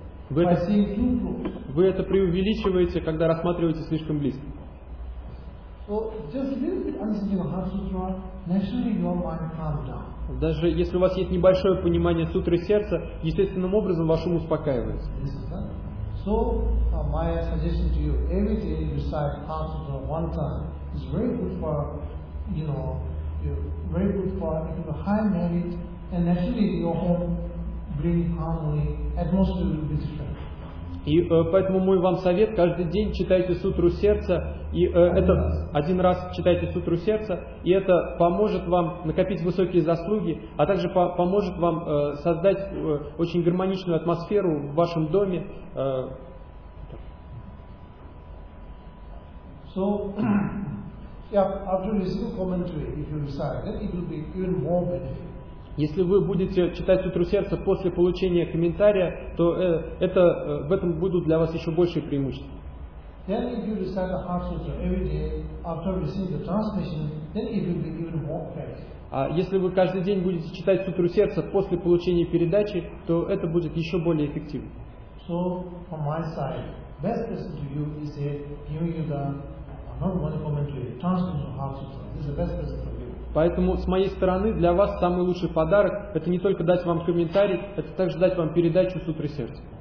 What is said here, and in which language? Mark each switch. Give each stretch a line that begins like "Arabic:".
Russian: Вы это преувеличиваете, когда рассматриваете слишком близко.
English: So just a little bit understanding of Heart Sutra, naturally your mind calms down.
Russian: Даже если у вас есть небольшое понимание сутры сердца, естественным образом ваш ум успокаивается.
English: So, my suggestion to you, every day you recite half of the one time is very good for, you know, very good for a high merit, and actually your home bring harmony, atmosphere will be different.
Russian: И поэтому мой вам совет, каждый день читайте сутру сердца, и это один раз читайте сутру сердца, и это поможет вам накопить высокие заслуги, а также поможет вам создать очень гармоничную атмосферу в вашем доме.
English: So, yeah, after receiving commentary, if you decide, then it will be even more beneficial.
Russian: Если вы будете читать сутру сердца после получения комментария, то это, в этом будут для вас еще большие преимущества.
English: Then if you recite the heart sutra every day after receiving the transmission, then it will be even more faith.
Russian: А если вы каждый день будете читать сутру сердца после получения передачи, то это будет еще более эффективно.
English: So from my side, best person to you is giving you the not one commentary, transmission of heart sutra. This is the best person for you.
Russian: Поэтому, с моей стороны, для вас самый лучший подарок – это не только дать вам комментарий, это также дать вам передачу сутры сердца.